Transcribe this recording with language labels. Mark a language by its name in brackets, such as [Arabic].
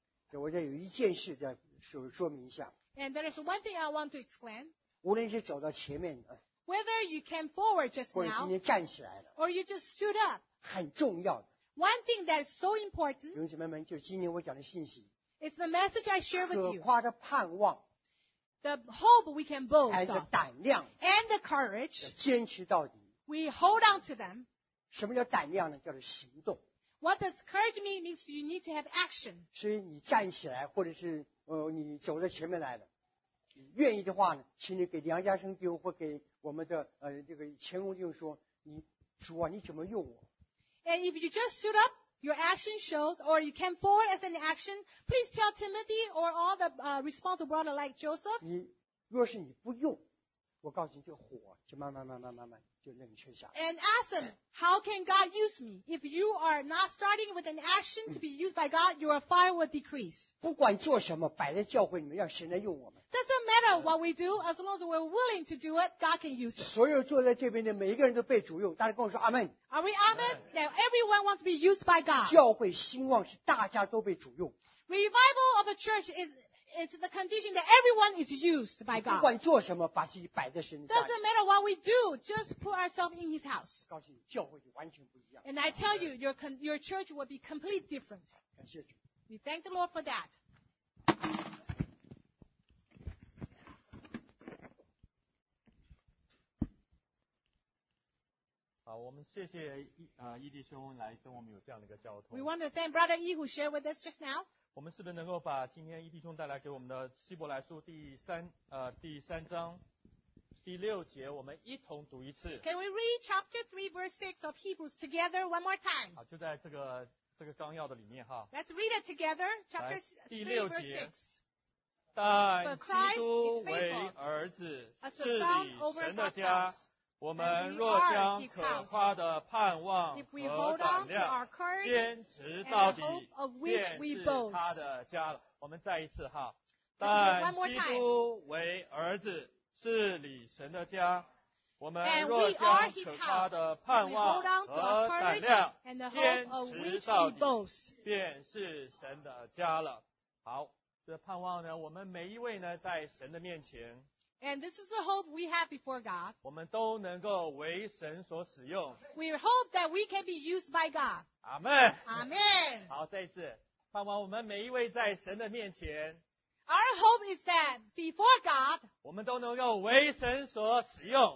[Chinese] 对，我再有一件事再说明一下。 [English] And there is one thing I want to explain. [Chinese] 无论是走到前面的。 [English] Whether you came forward just now. [Chinese] 或者今天站起来了。 [English] Or you just stood up. [Chinese] 很重要的。 [English] One thing that is so important. [Chinese] 弟兄姊妹们，就是今天我讲的信息。 [English] It's the message I share with you. [Chinese] 可夸的盼望。 [English] The hope we can boast of. And the 胆量。 And the courage. [Chinese] 坚持到底。 [English] We hold on to them. [Chinese] 什么叫胆量呢？叫做行动。 [English] What does courage mean means you need to have action. [Chinese] 所以你站起来或者是你走到前面来了。愿意的话呢，请你给梁家生弟兄或给我们的这个前公弟兄说，你主啊，你怎么用我。 [English] And if you just stood up, Your action shows, or you came forward as an action. Please tell Timothy or all the responsible brother like Joseph. [Chinese] 你若是你不用，我告诉你，这火就慢慢慢慢慢慢就让你吹下。 [English] And ask them, how can God use me? If you are not starting with an action to be used by God, your fire will decrease. [Chinese] 不管做什么，摆在教会里面，让神来用我们。 [English] Doesn't matter what we do, as long as we're willing to do it, God can use it. [Chinese] 所有坐在这边的每一个人都被主用，大家跟我说阿门。 [English] Are we amen? That everyone wants to be used by God. [Chinese] 教会兴旺是大家都被主用。 [English] Revival of a church is. It's the condition that everyone is used by God. [Chinese] 不管做什么，把自己摆在神家。 [English] Doesn't matter what we do, just put ourselves in His house. [Chinese] 告诉你，教会就完全不一样。 [English] And I tell you, your church will be completely different. [Chinese] 感谢主。 [English] We thank the Lord for that. [Chinese] 好，我们谢谢伊弟兄来跟我们有这样的一个交通。 [English] We want to thank Brother Yi who shared with us just now. [Chinese] 我们是不是能够把今天伊弟兄带来给我们的希伯来书第三章第六节我们一同读一次。 [English] Can we read chapter 3 verse 6 of Hebrews together one more time? [Chinese] 好，就在这个纲要的里面哈。 [English] Let's read it together, chapter 3 verse 6. [Chinese] 第六节。但基督为儿子治理神的家，我们若将可夸的盼望和胆量坚持到底，便是他的家了。我们再一次哈，但基督为儿子治理神的家，我们若将可夸的盼望和胆量坚持到底，便是神的家了。好，这盼望呢，我们每一位呢，在神的面前。 [English] And this is the hope we have before God. [Chinese] 我们都能够为神所使用。 [English] We hope that we can be used by God. [Chinese] 阿们。阿们。好，再一次，盼望我们每一位在神的面前。 [English] Our hope is that before God. [Chinese] 我们都能够为神所使用。